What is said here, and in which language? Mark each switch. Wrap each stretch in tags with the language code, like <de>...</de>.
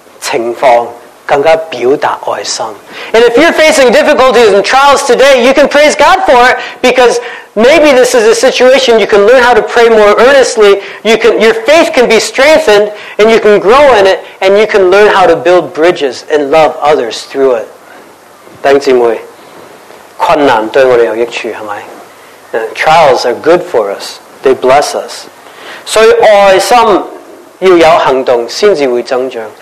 <zh>如果你面对困难，你面对压力的，你可以感恩赞美你祷告，神会给你的信心是加强，你就可以更加用这个情况更加表达爱心。</zh> <en>And if you're facing difficulties and trials today, you can praise God for it because maybe this is a situation you can learn how to pray more earnestly. Your faith can be strengthened and you can grow in it and you can learn how to build bridges and love others through it.</en> <zh>弟兄姊妹，困难对我们有益处，是吗？</zh> <en>Trials are good for us. They bless us.</en> <zh>所以爱心要有行动才会增长。</zh>